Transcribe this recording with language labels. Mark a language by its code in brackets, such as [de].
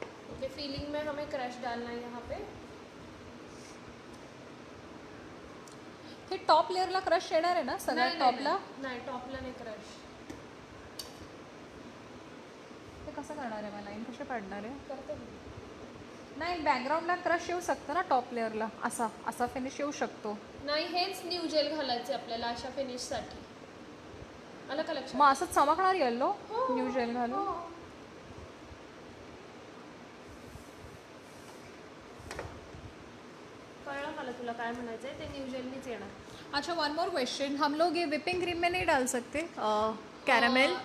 [hi] okay feeling में हमें crush डालना है यहाँ पे [mr] हे टॉप लेअरला क्रश येणार आहे ना सगळ्या टॉपला नाही टॉपला नाही क्रश ते कसं करणार आहे मला लाईन कसे पाडणार आहे करते नाही बॅकग्राऊंडला क्रश येऊ शकतं ना टॉप लेअरला असा असा फिनिश येऊ शकतो नाही हेच न्यू जेल घालायचे आपल्याला अशा फिनिशसाठी मग असंच चमकणार येलो न्यू जेल घालून अच्छा [en] one more question [hi] हम लोग ये व्हिपिंग क्रीम में नहीं डाल सकते कैरामेल